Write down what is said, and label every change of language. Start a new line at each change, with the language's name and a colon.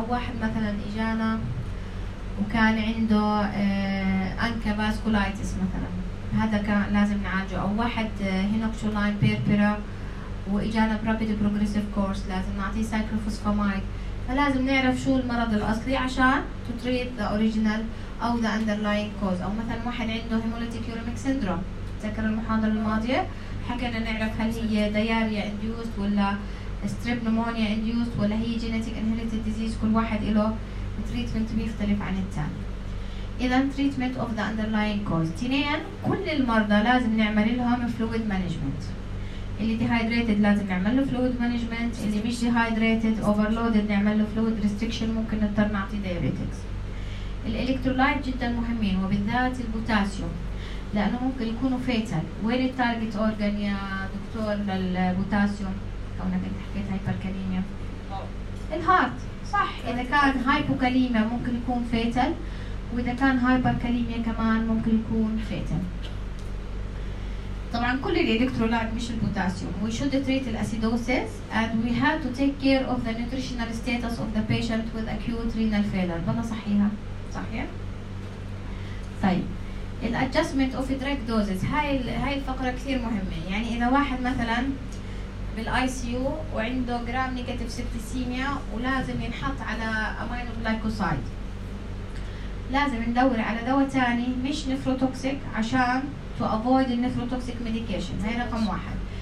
Arabic: أو واحد مثلاً إجانا وكان عنده أنكا vasculitis مثلاً، هذا كان لازم نعالجه. أو واحد hinoxoline purpura وإجانا
English: rapid progressive course،
Arabic: لازم نعطيه cyclophosphamide. فلازم نعرف شو المرض الأصلي عشان
English: to treat the original
Arabic: أو
English: the underlying cause.
Arabic: أو مثلا واحد عنده hemolytic uremic syndrome، تذكر المحاضرة الماضية حكينا نعرف هل هي diarrhea induced ولا strep pneumonia induced ولا هي genetic inherited disease. كل واحد له treatment بيختلف عن الثاني.
English: إذن treatment of the underlying cause.
Arabic: تنين كل المرضى لازم نعمل لهم fluid management. اللي dehydrated لازم نعمل له fluid management، اللي مش dehydrated overloaded نعمل له fluid restriction، ممكن نضطر نعطي diuretics. الالكترولايت جدا مهمين وبالذات البوتاسيوم لأنه ممكن يكونوا fatal. وين التارجت أورجان يا دكتور للبوتاسيوم؟ كونك انت حكيت hyperkalemia. الهارت، صح. إذا كان hypokalemia ممكن يكون fatal، وإذا كان hyperkalemia كمان ممكن يكون fatal. طبعا كل الالكترولايت مش البوتاسيوم.
English: We should treat the acidosis and we have to take care of the nutritional status of the patient with acute renal failure.
Arabic: بلا صحيحة، صحيح. طيب
English: الادجستمنت of drug doses,
Arabic: هاي الفقره كثير مهمه. يعني اذا واحد مثلا بالاي سي يو وعنده جرام نيجاتيف سيبتسيميا ولازم ينحط على امينو جلايكوسايد، لازم ندور على دواء ثاني مش نيفروتوكسيك عشان
English: To avoid النيفروتوكسيك medication.
Arabic: هاي رقم واحد.